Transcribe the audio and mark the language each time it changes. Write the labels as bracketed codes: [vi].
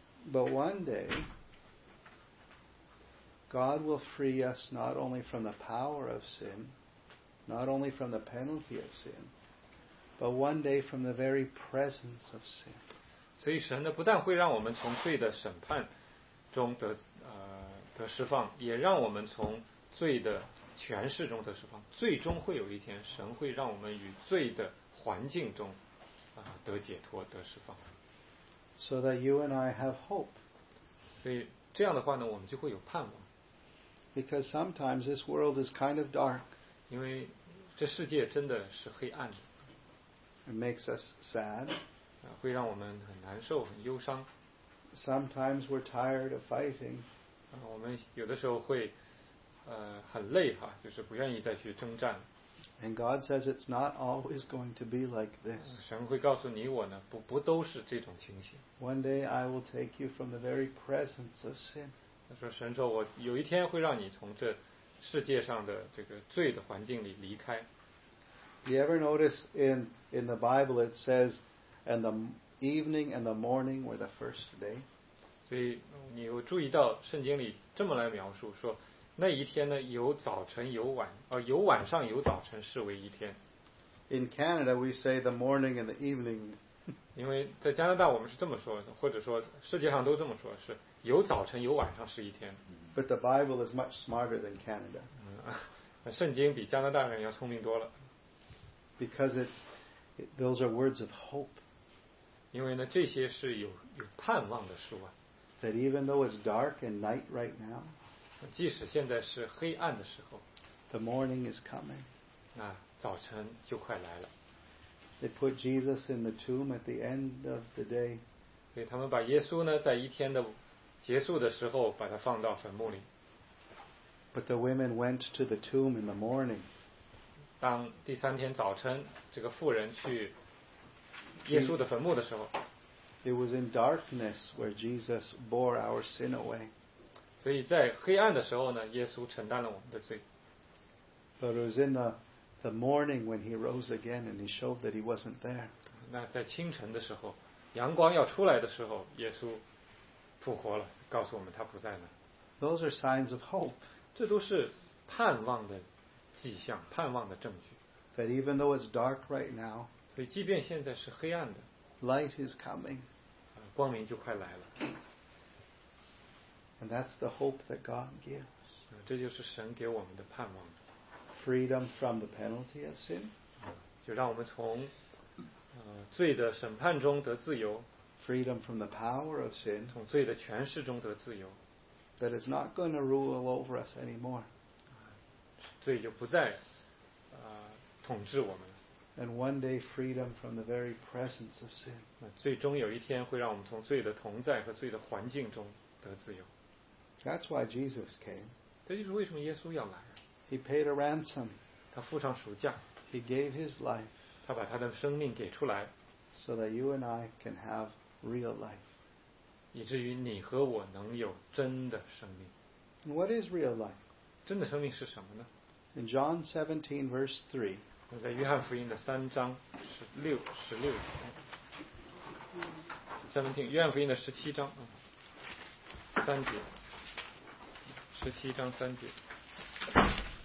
[en] But one day, God will free us not only from the power of sin, not only from the penalty of sin, but one day from the very presence of sin. [zh] 所以神呢，不但会让我们从罪的审判中得的释放，也让我们从罪的权势中的释放。最终会有一天，神会让我们与罪的环境中得解脱、得释放。 [en] So that you and I have hope. [zh] 所以这样的话呢，我们就会有盼望。 [en] Because sometimes this world is kind of dark. [zh] 因为这世界真的是黑暗的。 [en] It makes us sad. [zh] 会让我们很难受、很忧伤。 [en] Sometimes we're tired of fighting. [zh] 我们有的时候会很累哈，就是不愿意再去征战。 [en] And God says it's not always going to be like this. [zh] 神会告诉你我呢，不都是这种情形。 [en] One day I will take you from the very presence of sin. [zh] 他说神说我有一天会让你从这世界上的这个罪的环境里离开。 [en] You ever notice in the Bible it says, and the evening and the morning were the first day. [zh] 所以你有注意到圣经里这么来描述说，那一天呢，有早晨有晚，有晚上有早晨视为一天。 [en] In Canada, we say the morning and the evening. [zh] 因为在加拿大我们是这么说，或者说世界上都这么说，是有早晨有晚上是一天。 [en] But the Bible is much smarter than Canada. [zh] 圣经比加拿大人要聪明多了。 [en] Because those are words of hope. [zh] 因为呢，这些是有盼望的书啊。 [en] That even though it's dark and night right now, [zh] 即使现在是黑暗的时候， [en] the morning is coming. [zh] 那早晨就快来了。 [en] They put Jesus in the tomb at the end of the day. [zh] 所以他们把耶稣呢，在一天的结束的时候，把他放到坟墓里。 [en] But the women went to the tomb in the morning. [zh] 当第三天早晨，这个妇人去耶稣的坟墓的时候。 [en] It was in darkness where Jesus bore our sin away. [zh] 所以在黑暗的时候呢，耶稣承担了我们的罪。 [en] But it was in the morning when he rose again and he showed that he wasn't there. [zh] 那在清晨的时候，阳光要出来的时候，耶稣复活了，告诉我们他不在那。 [en] Those are signs of hope. [zh] 这都是盼望的迹象，盼望的证据。 [en] That even though it's dark right now. [zh] 所以即便现在是黑暗的。 [en] Light is coming. [zh] 光明就快来了。 [en] And that's the hope that God gives. [zh] 这就是神给我们的盼望。 [en] Freedom from the penalty of sin. [zh] 就让我们从罪的审判中得自由。 [en] Freedom from the power of sin. [zh] 从罪的权势中得自由。 [en] That it's not going to rule over us anymore. [zh] 罪就不再统治我们。 [en] And one day freedom from the very presence of sin. [zh] 最终有一天会让我们从罪的同在和罪的环境中得自由。 [en] That's why Jesus came. [zh] 这就是为什么耶稣要来。 [en] He paid a ransom. [zh] 他付上赎价。 [en] He gave his life. [zh] 他把他的生命给出来 [en] so that you and I can have real life. [zh] 以至于你和我能有真的生命。 [en] What is real life? [zh] 真的生命是什么呢？ [en] In John 17 verse 3, [zh] 在约翰福音的三章十六十六17, 约翰福音的十七章三节，十七章三节。